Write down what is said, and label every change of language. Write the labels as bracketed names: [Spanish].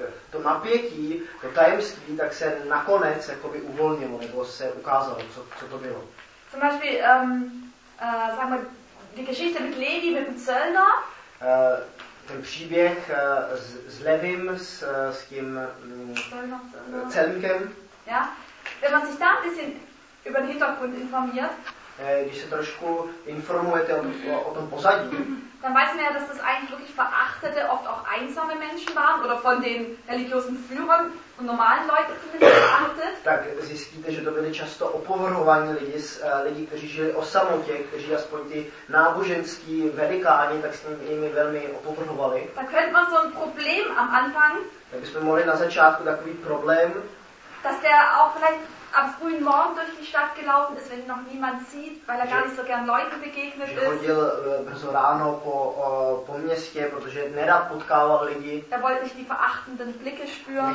[Czech] To napětí, to tajemství, tak se nakonec jakoby uvolnilo, nebo se ukázalo, co to bylo. [German] Zum Beispiel, sagen wir, die Geschichte mit Levi, mit dem Zöllner. [Czech] Ten příběh s Levim, s tím Zöllnerem. [German] Ja, wenn man sich da ein bisschen über den Hintergrund informiert. [Czech] když se trošku informujete o tom pozadí. [German] Dann weiß man ja, dass das eigentlich wirklich verachtete, oft auch einsame Menschen waren oder von den religiösen Führern und normalen Leuten verachtet. [Czech] Tak zjistíte, že to byli často opovrhovaní lidi, lidi, kteří žili o samotě, kteří aspoň ty náboženský velikáni, tak s nimi velmi opovrhovali. [German] Tak könnte man so ein Problem am Anfang. [Czech] Tak bychom mohli na začátku takový problém. [German] Dass der auch vielleicht am frühen Morgen durch die Stadt gelaufen ist, wenn ihn noch niemand sieht, weil er gar nicht so gern Leuten begegnet ist. [Czech] Chodil brzo ráno po městě, protože nerad potkával lidi. [German] Er wollte nicht die verachtenden Blicke spüren.